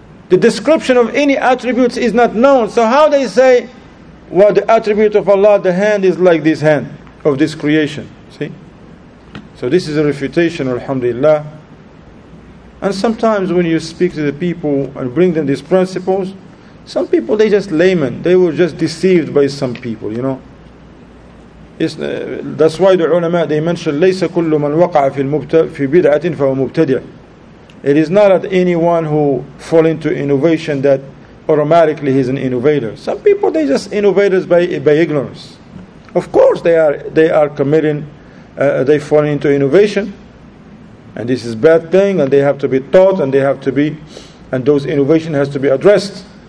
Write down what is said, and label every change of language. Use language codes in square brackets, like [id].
[en] The description of any attributes is not known. So how they say, well, the attribute of Allah, the hand is like this hand of this creation. See? So this is a refutation, alhamdulillah. And sometimes when you speak to the people and bring them these principles, some people, they just layman. They were just deceived by some people, you know. That's why the ulama, they mention, [ar] لَيْسَ كُلُّ مَنْ وَقَعَ فِي بِدْعَةٍ فَهُوَ مُبْتَدِعٍ. [en] It is not that anyone who fall into innovation that automatically he's an innovator. Some people, they just innovators by ignorance. Of course they are committing, they fall into innovation. And this is a bad thing, and they have to be taught, and they have to be, and those innovation has to be addressed.